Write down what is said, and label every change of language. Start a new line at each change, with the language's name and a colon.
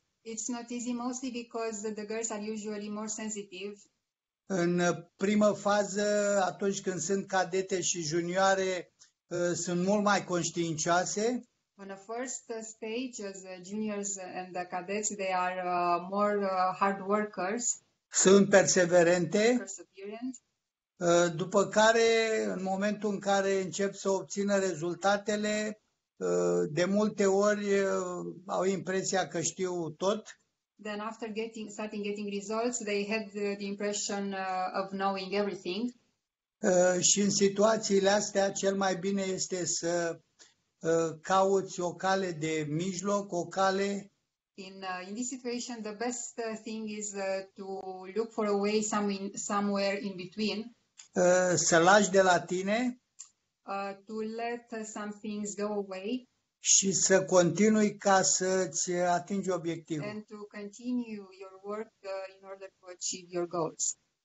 English: It's not easy mostly because the girls are usually more sensitive.
Romanian: În prima fază, atunci când sunt cadete și junioare, sunt mult mai conștiincioase.
English: On the first stage, as juniors and the cadets, they are more hard workers.
Romanian: Sunt perseverente.
English: Perseverent.
Romanian: După care, în momentul în care încep să obțină rezultatele, de multe ori au impresia că știu tot.
English: Then after starting getting results, they had the impression of knowing everything.
Romanian: Și în situațiile astea, cel mai bine este să cauți o cale de mijloc, o cale.
English: In this situation, the best thing is to look for a way somewhere in between.
Romanian: Să lași de la tine.
English: To let some things go away.
Romanian: Și să continui ca să îți atingi obiectivul.
English: And to continue your work in order to achieve your goals.